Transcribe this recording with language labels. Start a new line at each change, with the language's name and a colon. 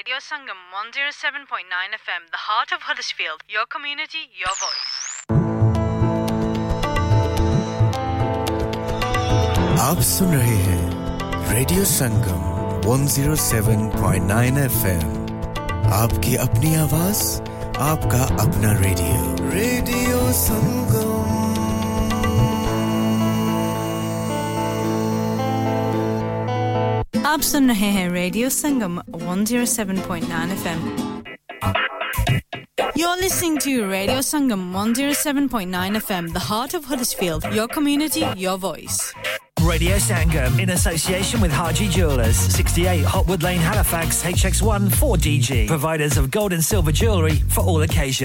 English: Sangam 107.9 FM, the heart of Huddersfield, your community, your voice.
Hindi: आप सुन रहे हैं radio संगम 107.9 FM, आपकी अपनी आवाज, आपका अपना रेडियो, रेडियो संगम. आप सुन रहे हैं radio Sangam 107.9 FM.
English: You're listening to Radio Sangam 107.9 FM, the heart of Huddersfield, your community, your voice. Radio Sangam, in association with Haji Jewellers, 68 Hotwood Lane, Halifax, HX1 4DG, providers of gold and silver jewellery for all occasions.